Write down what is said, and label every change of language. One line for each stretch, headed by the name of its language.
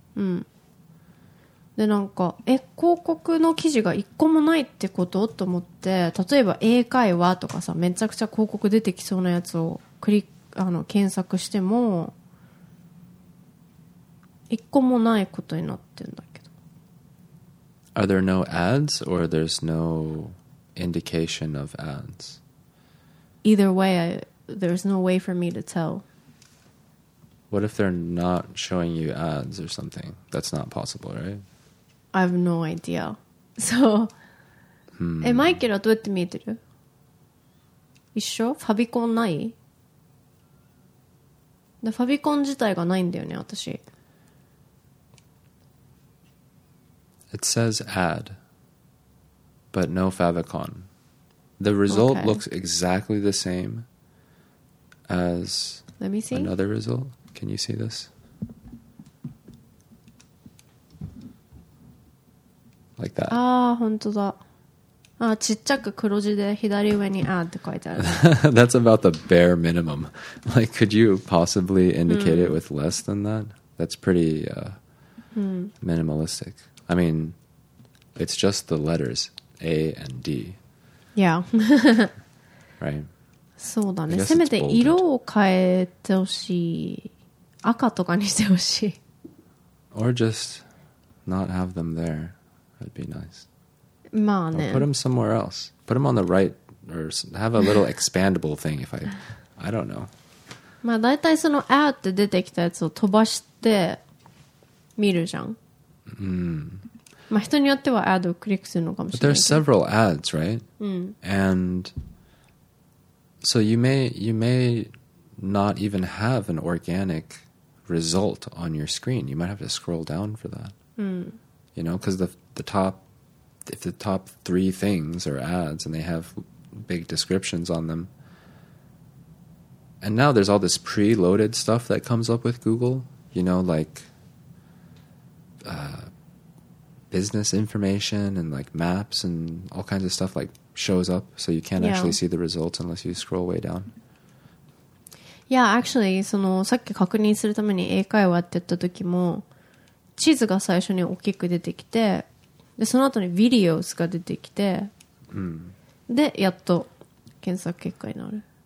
Japanese: うんでなんか広告の記事が一個もないってことと思って例えば英会話とかさめちゃくちゃ広告出てきそうなやつをクリック検索しても一個もないことになってんだけど
English: Are there no ads or there's no indication of ads? Either way, there's no way for me to tell. What if they're not showing you ads or something? That's not possible, right? I have no idea.
Japanese: So, マイケルはどうやって見えてる？一緒？ファビコンない？で、ファビコン自体がないんだよね、私。
English: It says ad, but no favicon. The result looks exactly the same as another result. Can you see this? Like that.
Japanese: ああ、本当だ。ああ、ちっちゃく黒字で左上にああって書いてある。
English: That's about the bare minimum. Like, could you possibly indicate it with less than that? That's pretty minimalistic. I mean, it's just the letters A and D. Yeah. Right.
Japanese: そうだね。せめて色を変えてほしい。赤とかにしてほしい。
English: Or just not have them there. That'd be nice.
Japanese: まあね。
English: Or put them somewhere else. Put them on the right or have a little expandable thing if I don't know.
Japanese: まあ大体その add って出てきたやつを飛ばして見るじゃん。 Mm. まあ人によってはアドをクリックするのかもしれない。
English: But there are several ads, right?
Japanese: うん。
English: And so you may not even have an organic result on your screen. You might have to scroll down for that.
Japanese: うん。
English: You know, because the top three things are ads and they have big descriptions on them. And now there's all this preloaded stuff that comes up with Google. You know, like business information and like maps and all kinds of stuff like shows up. So you can't actually see the results unless you scroll way down. Yeah, actually,
Japanese: そのさっき確認するために英会話って言った時も地図が最初に大きく出てきてでその後にビデオスが出てきて、でやっと検索結果になる。